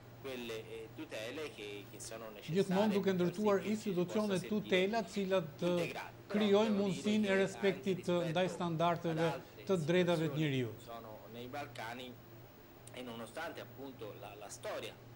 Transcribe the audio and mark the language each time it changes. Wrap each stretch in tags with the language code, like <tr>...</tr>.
<it>Quelle tutele che sono necessarie.</it> <sq>Gjithmonë duke ndërtuar institucione tutela, të cilat krijojnë mundësinë e respektit ndaj standardeve të drejtave të njeriu.</sq> <it>Sono nei Balkani e nonostante appunto la storia.</it>